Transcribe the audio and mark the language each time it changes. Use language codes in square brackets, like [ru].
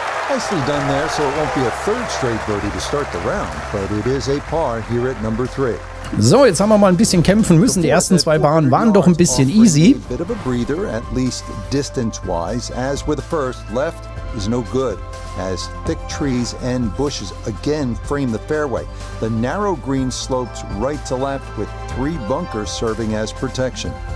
[en] Nicely done there, so it won't be a third straight birdie to start the round, but it is a par here at number 3. [de] So, jetzt haben wir mal ein bisschen kämpfen müssen. Die ersten zwei Bahnen waren doch ein bisschen easy. [en] Bit of a breather, at least distance-wise, as with the first, left is no good, as thick trees and bushes again frame the fairway. The narrow green slopes right to left with 3 bunkers serving as protection.